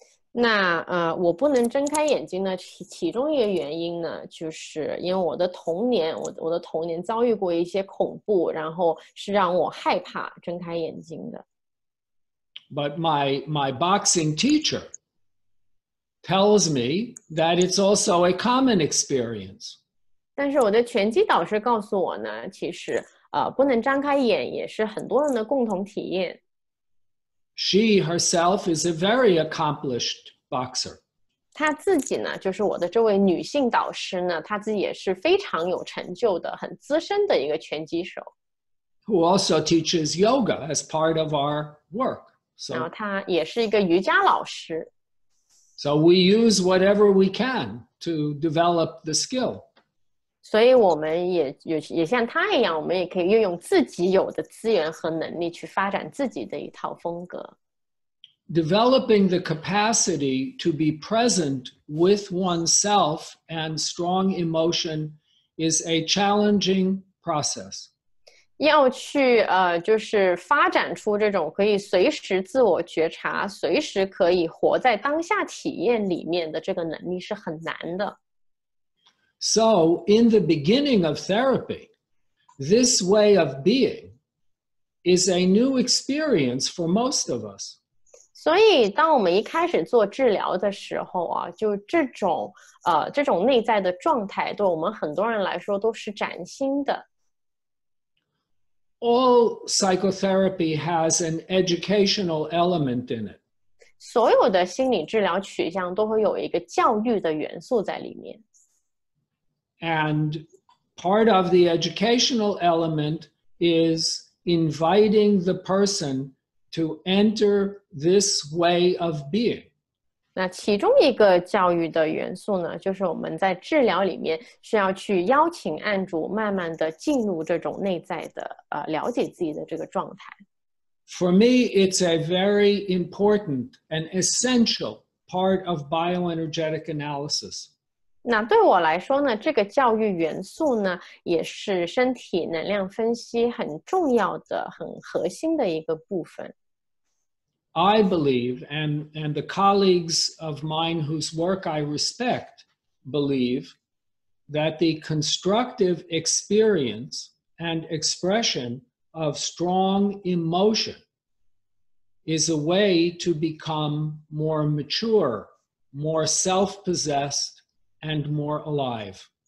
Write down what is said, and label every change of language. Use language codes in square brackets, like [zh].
[zh] 那我不能睁开眼睛呢，其中一个原因呢，就是因为我的童年遭遇过一些恐怖，然后是让我害怕睁开眼睛的。 [en] But my boxing teacher tells me that it's also a common experience. [zh] 但是我的拳击导师告诉我呢，其实不能张开眼也是很多人的共同体验。 [en] She herself is a very accomplished boxer. [zh] 她自己呢，就是我的这位女性导师呢，她自己也是非常有成就的，很资深的一个拳击手。 [en] Who also teaches yoga as part of our work. So, [zh] 然后她也是一个瑜伽老师。 [en] So we use whatever we can to develop the skill. [zh] 所以我们也像他一样，我们也可以运用自己有的资源和能力去发展自己的一套风格。 [en] Developing the capacity to be present with oneself and strong emotion is a challenging process. [zh] 要去就是发展出这种可以随时自我觉察，随时可以活在当下体验里面的这个能力是很难的。 [en] So, in the beginning of therapy, this way of being is a new experience for most of us. [zh] 所以当我们一开始做治疗的时候啊，就这种内在的状态对我们很多人来说都是崭新的。 [en] All psychotherapy has an educational element in it. [zh] 所有的心理治疗取向都会有一个教育的元素在里面。 [en] And part of the educational element is inviting the person to enter this way of being. [zh] 那其中一个教育的元素呢，就是我们在治疗里面需要去邀请案主慢慢的进入这种内在的了解自己的这个状态。 [en] For me, it's a very important and essential part of bioenergetic analysis. [zh] 那对我来说呢，这个教育元素呢，也是身体能量分析很重要的、很核心的一个部分。 [en] I believe, and the colleagues of mine whose work I respect believe, that the constructive experience and expression of strong emotion is a way to become more mature, more self-possessed,and more alive.